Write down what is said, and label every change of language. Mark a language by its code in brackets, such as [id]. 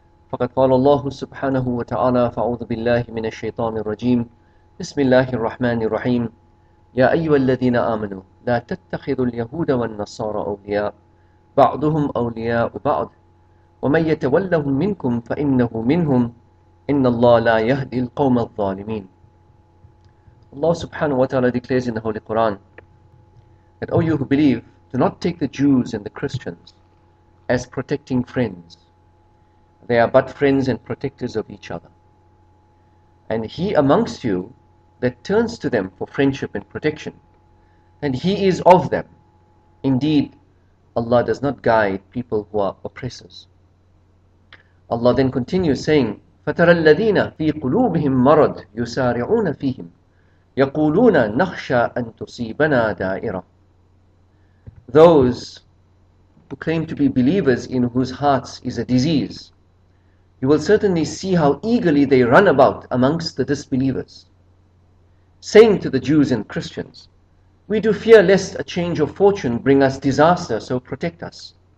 [ar] فقد قال الله سبحانه وتعالى: فأعوذ بالله من الشيطان الرجيم، بسم الله الرحمن الرحيم. يا أيها الذين آمنوا لا تتخذوا اليهود والنصارى أولياء، بعضهم أولياء بعض، ومن يتولهم منكم فإنه منهم، إن الله لا يهدي القوم الظالمين. [en] الله سبحانه وتعالى declares in the Holy Quran that, O you who believe, do not take the Jews and the Christians as protecting friends. They are but friends and protectors of each other. And he amongst you that turns to them for friendship and protection, then he is of them. Indeed, Allah does not guide people who are oppressors. Allah then continues saying, [ar] فَتَرَى الَّذِينَ فِي قُلُوبِهِمْ مَرَضٌ يُسَارِعُونَ فِيهِمْ يَقُولُونَ نَخْشَىٰ أَن تُصِيبَنَا دَائِرَةٌ. [en] Those who claim to be believers in whose hearts is a disease, you will certainly see how eagerly they run about amongst the disbelievers, saying to the Jews and Christians, we do fear lest a change of fortune bring us disaster, so protect us.